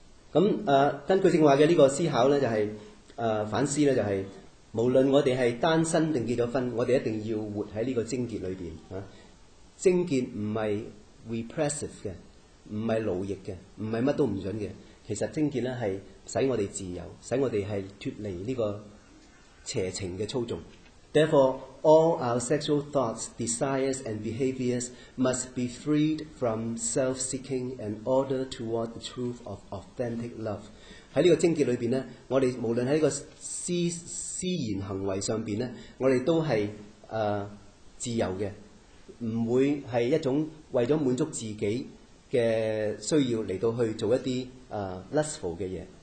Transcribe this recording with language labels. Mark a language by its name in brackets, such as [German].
[Chinese] 咁根据正话的这个思考呢，就是反思呢，就是无论我们是单身定结了婚，我们一定要活在这个贞洁里面、啊、贞洁不是 repressive 的，不是奴役的，不是什么都不准的，其实贞洁呢是使我们自由，使我们是脱离这个邪情的操纵。 [English] Therefore, all our sexual thoughts, desires, and behaviors must be freed from self-seeking and ordered toward the truth of authentic love. [Chinese] 在这个贞洁里面，我们无论在这个私言行为上面，我们都是自由的，不会是一种为了满足自己的需要来到去做一些lustful 的事。